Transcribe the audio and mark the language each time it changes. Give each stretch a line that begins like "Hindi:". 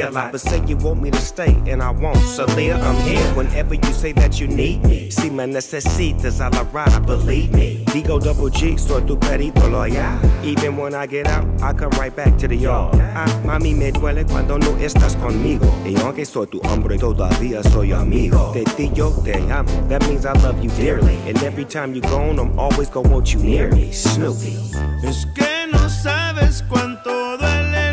English: But say you want me to stay, and I won't. So Leah, I'm here whenever you say that you need me.
Spanish: Si me necesitas a la ride,
English: believe me.
Spanish: Digo double G, soy tu perito loyal.
English: Even when I get out, I come right back to the yard.
Spanish: Mami, me duele cuando no estás conmigo. Y aunque soy tu hombre, todavía soy amigo. De ti yo te amo,
English: that means I love you dearly. And every time you gone, I'm always gonna want you near me. Snoopy.
Spanish: Es que no sabes cuánto duele.